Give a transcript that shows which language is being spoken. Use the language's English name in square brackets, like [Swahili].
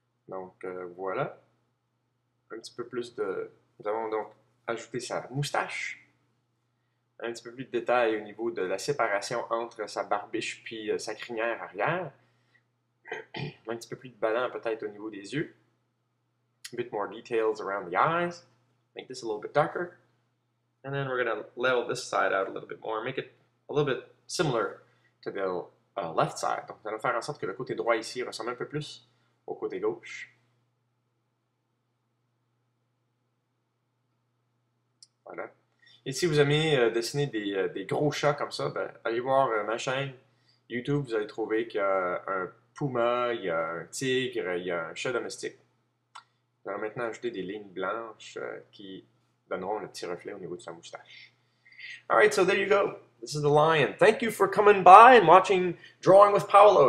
[French] Donc voilà. Un petit peu plus de... Nous avons donc ajouté sa moustache. Un petit peu plus de détails au niveau de la séparation entre sa barbiche puis sa crinière arrière. Un petit peu plus de ballon peut-être au niveau des yeux. [English] A bit more details around the eyes. Make this a little bit darker. And then we're going to level this side out a little bit more. Make it a little bit similar to the left side. [French] Donc, nous allons faire en sorte que le côté droit ici ressemble un peu plus au côté gauche. Voilà. Et si vous aimez dessiner des gros chats comme ça, ben, allez voir ma chaîne YouTube. Vous allez trouver qu'il y a un puma, il y a un tigre, il y a un chat domestique. Nous allons maintenant ajouter des lignes blanches qui donneront le petit reflet au niveau de sa moustache. [English] All right, so there you go. This is the lion. Thank you for coming by and watching Drawing with Paolo.